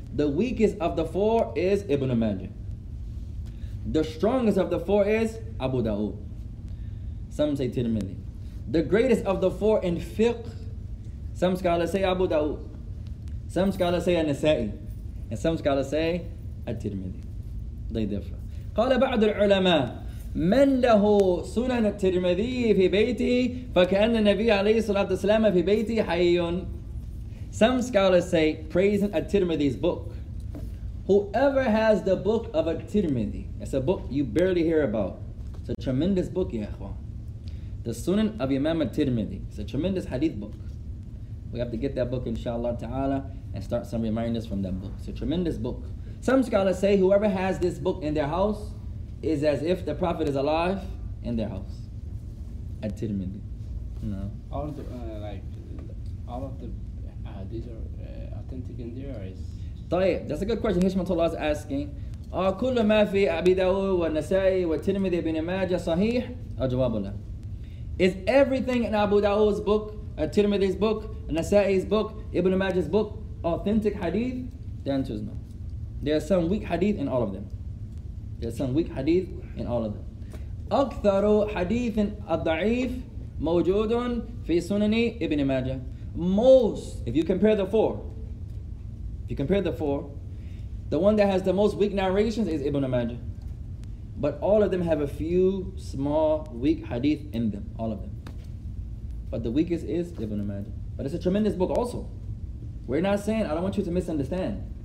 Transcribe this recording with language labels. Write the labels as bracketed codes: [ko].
[en] The weakest of the four is Ibn Majah. The strongest of the four is Abu Dawud. Some say Tirmidhi. The greatest of the four in fiqh, some scholars say Abu Dawud, some scholars say An-Nasa'i, and some scholars say At-Tirmidhi. They differ. [ar] قال بعض العلماء من له سنن الترمذي في بيته فكأن النبي عليه الصلاة والسلام في بيته حي. [en] Some scholars say, praising At-Tirmidhi's book, whoever has the book of At-Tirmidhi, it's a book you barely hear about. It's a tremendous book, ya akhwan. The Sunan of Imam At-Tirmidhi. It's a tremendous hadith book. We have to get that book inshallah ta'ala and start some reminders from that book. It's a tremendous book. Some scholars say whoever has this book in their house is as if the Prophet is alive in their house. At-Tirmidhi. No. All of the hadith are authentic in there, or is... That's a good question. Hishmatullah is asking. [ar] كُلُّ مَا فِي أَبِي دَوُّ وَالنَّسَائِ وَالتِرْمِذِي بِنِ مَاجَةَ صَحِيحٌ. [en] Is everything in Abu Dawud's book, At-Tirmidhi's book, Nasa'i's book, Ibn Majah's book, authentic hadith, the answer is no. There are some weak hadith in all of them. [ar] أكثروا حديث الضعيف موجود في سنن ابن ماجه. [en] Most, if you compare the four, the one that has the most weak narrations is Ibn Majah. But all of them have a few small weak hadith in them, all of them. But the weakest is Ibn Majah. But it's a tremendous book also. We're not saying, I don't want you to misunderstand.